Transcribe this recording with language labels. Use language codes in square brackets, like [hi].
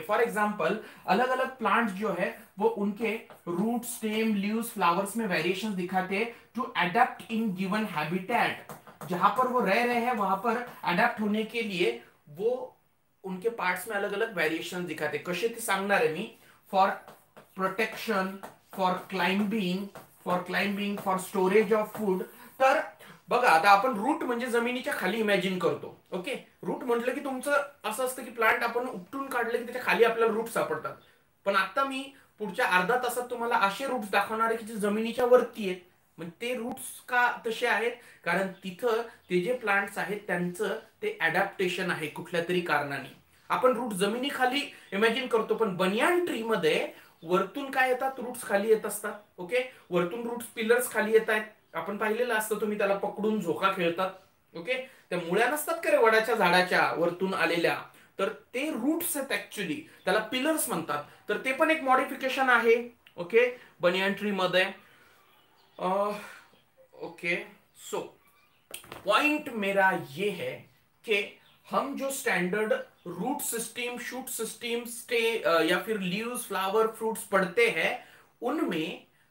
[hi] For example अलग अलग plant जो है वो उनके रूट, स्टेम, लीव्स, फ्लावर्स में वेरिएशन दिखाते हैं [en] To adapt in given habitat. [hi] जहां पर वो रह रहे हैं वहां पर अडेप्ट होने के लिए वो उनके पार्ट्स में अलग अलग वेरिएशन दिखाते. [mr] कशे ते सांगणार आहे मी, [en] For protection, for climbing, for storage of food. [mr] तर बघा आता आपण रूट म्हणजे जमिनीच्या खाली इमॅजिन करतो, ओके. रूट म्हटलं की तुमचं असं असतं की प्लांट आपण उपटून काढलं की त्याच्या खाली आपल्याला रूट सापडतात, पण आता मी पुढच्या अर्धा तासात तुम्हाला असे रूट दाखवणार आहे की जे जमिनीच्या वरती आहेत. म्हणजे ते रूट्स का तसे आहेत, कारण तिथं ते जे प्लांट्स आहेत त्यांचं ते अडॅप्टेशन आहे कुठल्या तरी कारणाने. आपण रूट जमिनीखाली इमॅजिन करतो, पण बनियान ट्री मध्ये वरतून काय येतात, रूट्स खाली येत असतात, ओके. वरतून रूट्स पिलर्स खाली येत आहेत, आपण पाहिलेलं असतं तुम्ही त्याला पकडून झोका खेळतात, ओके. त्या मुळ्या नसतात का रे वडाच्या झाडाच्या वरतून आलेल्या, तर ते रूट्स आहेत ऍक्च्युली, त्याला पिलर्स म्हणतात. तर ते पण एक मॉडिफिकेशन आहे, ओके, बनियान ट्री मध्ये. [hi] ओके, सो पॉइंट मेरा ये है कि हम जो standard root system, shoot system, stay या फिर लीव्स, फ्लावर, फ्रूट्स पढ़ते हैं उनमें